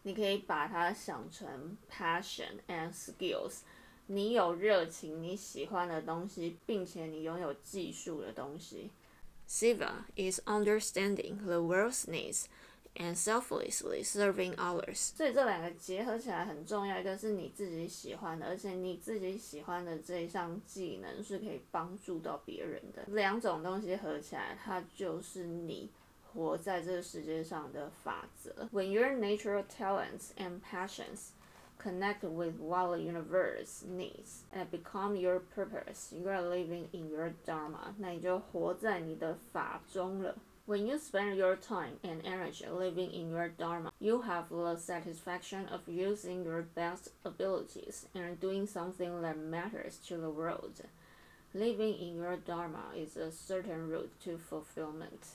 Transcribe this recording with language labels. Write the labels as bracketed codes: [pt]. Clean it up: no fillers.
[zh] 你可以把它想成 [en] passion and skills， [zh] 你有热情，你喜欢的东西，并且你拥有技术的东西。 [en] Siva is understanding the world's needs and selflessly serving others. [zh] 所以这两个结合起来很重要，一个是你自己喜欢的，而且你自己喜欢的这一项技能是可以帮助到别人的。两种东西合起来，它就是你活在这个世界上的法则。 [en] When your natural talents and passions,connect with what the universe needs and become your purpose, you are living in your Dharma. [zh] 那你就活在你的法中了。 [en] When you spend your time and energy living in your Dharma, you have the satisfaction of using your best abilities and doing something that matters to the world. Living in your Dharma is a certain route to fulfillment.